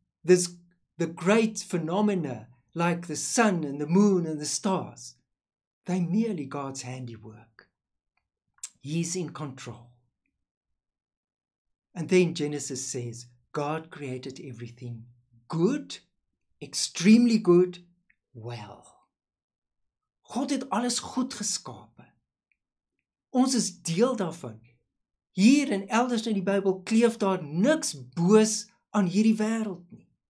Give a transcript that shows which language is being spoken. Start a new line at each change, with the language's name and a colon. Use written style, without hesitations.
English: this the great phenomena like the sun and the moon and the stars. They're merely God's handiwork. He's in control. And then Genesis says, God created everything good, extremely good, well.
Afrikaans: God het alles goed geskape. Ons is deel daarvan. Hier en elders in die Bybel kleef daar niks boos aan hierdie wêreld nie.